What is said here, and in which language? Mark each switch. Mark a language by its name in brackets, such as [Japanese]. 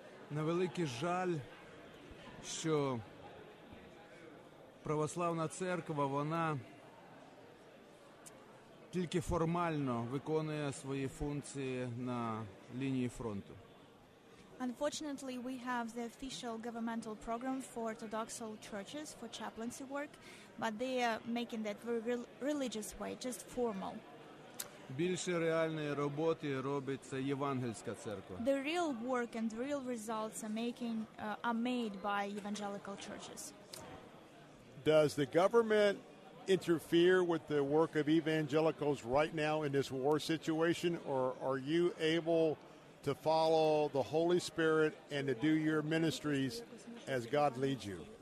[Ukrainian] На великий жаль, що православна церква, вона тільки формально виконує свої функції на лінії фронту. [English] Unfortunately, we have the official governmental program for Orthodox churches for chaplaincy work, but they are making that very religious way, just formal. [Ukrainian] Більше реальної роботи робиться євангельська церква. [English] The real work and real results are making are made by evangelical churches. Does the government interfere with the work of evangelicals right now in this war situation, or are you able to follow the Holy Spirit and to do your ministries as God leads you?